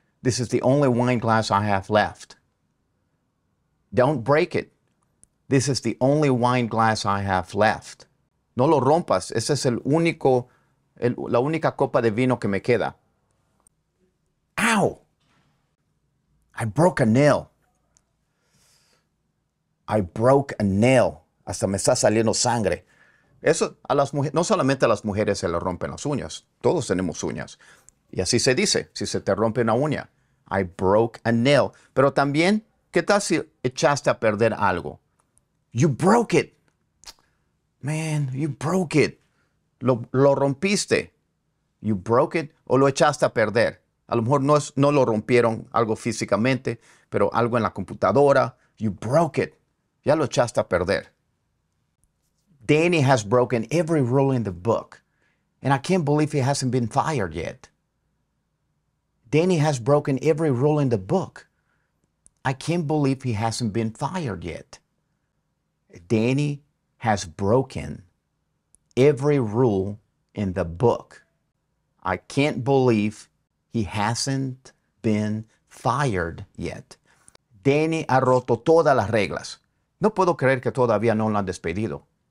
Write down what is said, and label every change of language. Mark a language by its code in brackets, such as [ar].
[en] This is the only wine glass I have left. Don't break it. This is the only wine glass I have left. [es] No lo rompas. Esa es la única copa de vino que me queda. [en] Ow! I broke a nail. I broke a nail. [es] Hasta me está saliendo sangre. Eso a las mujeres, no solamente a las mujeres se le rompen las uñas. Todos tenemos uñas. Y así se dice, si se te rompe una uña. [en] I broke a nail. [es] Pero también, ¿qué tal si echaste a perder algo? [en] You broke it. Man, you broke it. [es] Lo rompiste. [en] You broke it [es] o lo echaste a perder. A lo mejor no lo rompieron algo físicamente, pero algo en la computadora. [en] You broke it. [es] Ya lo echaste a perder. [en] Danny has broken every rule in the book. And I can't believe he hasn't been fired yet. Danny has broken every rule in the book. I can't believe he hasn't been fired yet. Danny has broken every rule in the book. I can't believe he hasn't been fired yet. [es] Danny ha roto todas las reglas. No puedo creer que todavía no lo han despedido.